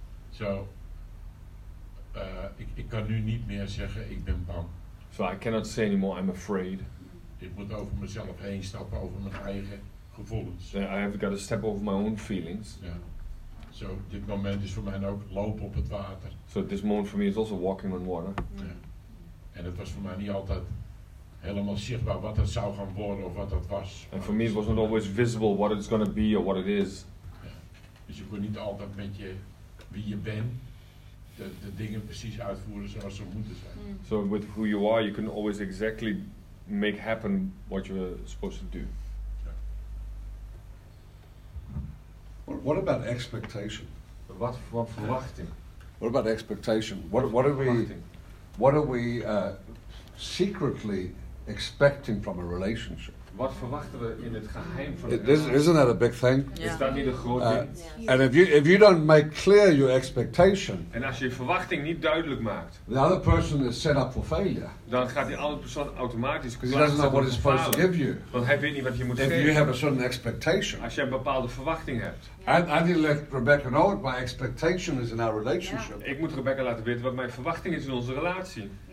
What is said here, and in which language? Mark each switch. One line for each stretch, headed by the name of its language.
Dutch: So, ik kan nu niet meer zeggen ik ben bang.
English: So I cannot say anymore I'm afraid.
Dutch: Ik moet over mezelf heen stappen, over mijn eigen gevoelens.
English: I have got to step over my own feelings. Yeah.
Dutch: So dit moment is voor mij ook lopen op het water.
English: So this moment for me is also walking on water. Yeah.
Dutch: En het was voor mij niet altijd helemaal zichtbaar wat het zou gaan worden of wat dat was.
English: And for me it was not always visible what it's going to be or what it is.
Dutch: Ja. Dus je kon niet altijd met je wie je bent de dingen precies uitvoeren zoals ze moeten zijn. Mm.
English: So with who you are, you can always exactly make happen what you're supposed to do. Yeah. What about expectation?
Dutch: Wat voor verwachting?
English: What about expectation? What are we, secretly expecting from a relationship?
Dutch: Wat verwachten we in het geheim van een relatie?
English: Isn't that a big thing? Yeah.
Dutch: Is dat niet een groot ding?
English: Yeah. And if you don't make clear your expectation,
Dutch: en als je verwachting niet duidelijk maakt,
English: the other person is set up for failure.
Dutch: Dan gaat die andere persoon automatisch.
English: Because he doesn't know what he's supposed to give you.
Dutch: Want hij weet niet wat je moet
English: if
Dutch: geven.
English: If you have a certain expectation,
Dutch: als je een bepaalde verwachting hebt.
English: I need to let Rebecca know what my expectation is in our relationship.
Dutch: Ik moet Rebecca laten weten wat mijn verwachting is in onze relatie.